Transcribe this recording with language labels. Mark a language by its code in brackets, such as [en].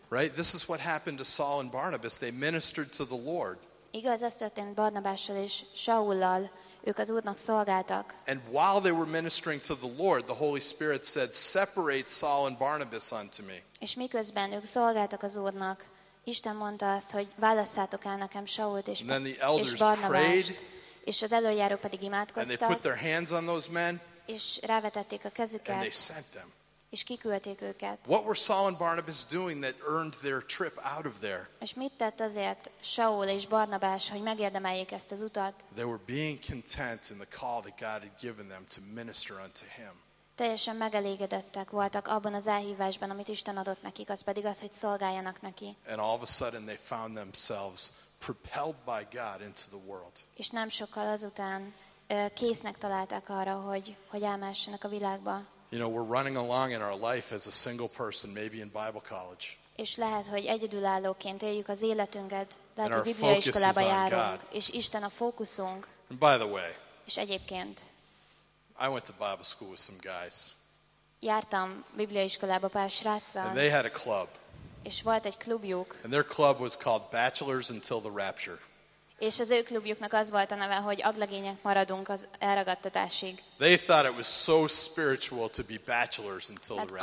[en] Right? This is what happened to Saul and Barnabas. They ministered to the Lord. [hu] Igaz, ez történt Barnabással és Saullal. Ők az Úrnak szolgáltak. [en] And while they were ministering to the Lord, the Holy Spirit said, "Separate Saul and Barnabas unto me." [hu] És miközben ők szolgáltak az Úrnak, Isten mondta azt, hogy válasszátok el nekem Sault és Barnabást. [en] And then the elders prayed. [hu] És az elöljárók pedig imádkoztak. [en] And they put their hands on those men. [hu] És rávetették a kezüket. [en] And they sent them. [hu] És kiküldték őket. [en] What were Saul and Barnabas doing that earned their trip out of there? [hu] És mit tett azért Saul és Barnabás, hogy megérdemeljék ezt az utat? [en] They were being content in the call that God had given them to minister unto him. [hu] Teljesen megelégedettek voltak abban az elhívásban, amit Isten adott nekik, az pedig az, hogy szolgáljanak neki. [en] And all of a sudden they found themselves propelled by God into the world. [hu] És nem sokkal azután késznek találtak arra, hogy elmehessenek a világba. [en] You know, we're running along in our life as a single person, maybe in Bible college. [hu] És lehet, hogy egyedülállóként éljük az életünket, lehet, hogy bibliai iskolába járunk, és Isten a fókuszunk. [en] And by the way, [hu] és egyébként, [en] I went to Bible school with some guys. [hu] Jártam bibliai iskolába pár sráccal. [en] And they had a club. [hu] És volt egy klubjuk. [en] And their club was called Bachelors Until the Rapture. [hu] És az ő klubjuknak az volt a neve, hogy aglegények maradunk az elragadtatásig. [en] They thought it was so spiritual to be bachelors until the rapture.